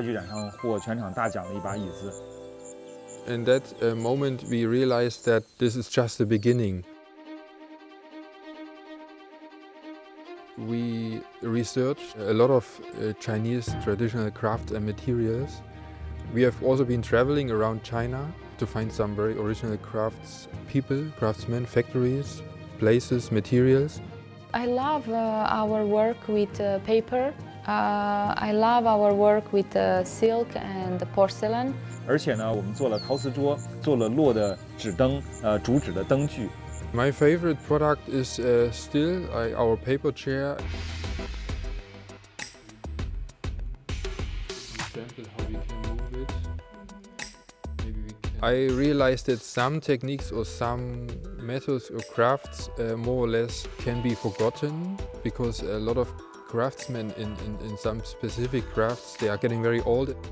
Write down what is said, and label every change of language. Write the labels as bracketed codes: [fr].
[zh] 这把椅子就是在这个米兰家具展上获全场大奖的一把椅子。 [en] In that moment, we realized that this is just the beginning. We researched a lot of Chinese traditional crafts and materials. We have also been traveling around China to find some very original crafts, people, craftsmen, factories, places, materials. I love our work with paper. I love our work with silk and porcelain. [zh] 而且呢，我们做了陶瓷桌，做了烙的纸灯，竹纸的灯具。 [en] My favorite product is still our paper chair. Example how we can move it. I realized that some techniques or some methods or crafts more or less can be forgotten, because a lot of craftsmen in some specific crafts, they are getting very old.